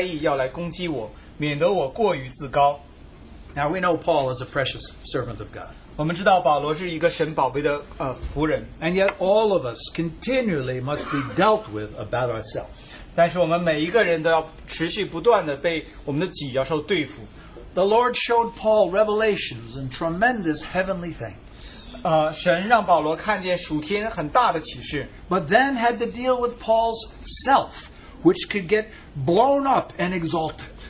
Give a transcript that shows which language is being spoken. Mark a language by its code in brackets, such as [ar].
[zh] 第七节,又恐怕我因所得的启示甚大,就过于自高,所以有一根刺加在我肉体上,就是撒旦的差役要来攻击我,免得我过于自高。 [en] Now we know Paul is a precious servant of God. [zh] 我们知道保罗是一个神宝贝的仆人。 [en] And yet all of us continually must be dealt with about ourselves. [zh] 但是我们每一个人都要持续不断地被我们的己要受对付。 [en] The Lord showed Paul revelations and tremendous heavenly things. [zh] 神让保罗看见属天很大的启示, [en] but then had to deal with Paul's self, which could get blown up and exalted.